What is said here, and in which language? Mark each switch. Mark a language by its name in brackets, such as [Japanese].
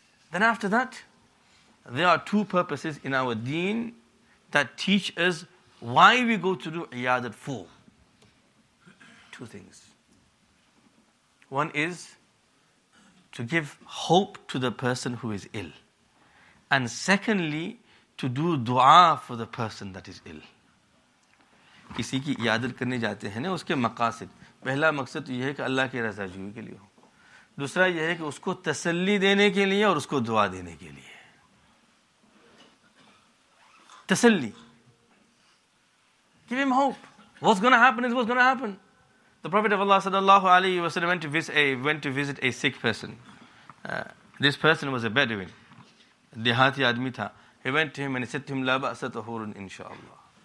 [English] Then after that, there are two purposes in our deen that teach us why we go to do iyadat for. Two things. One is to give hope to the person who is ill. And secondly, to do dua for the person that is ill. [Urdu] کسی کی عیادت کرنے جاتے ہیں نا, اس کے مقاصد, پہلا مقصد تو یہ ہے کہ اللہ کی رضا جوئی کے لیے ہو, دوسرا یہ ہے کہ اس کو تسلی دینے کے لیے اور اس کو دعا دینے کے لیے. [English] تسلی, give him hope, what's going to happen is what's going to happen. The Prophet of Allah sallallahu alaihi wasallam went to visit a sick person. This person was a Bedouin, [Urdu] dehati aadmi tha. [English] He went to him and he said to him, [Arabic] la ba'sa tahurun inshaAllah.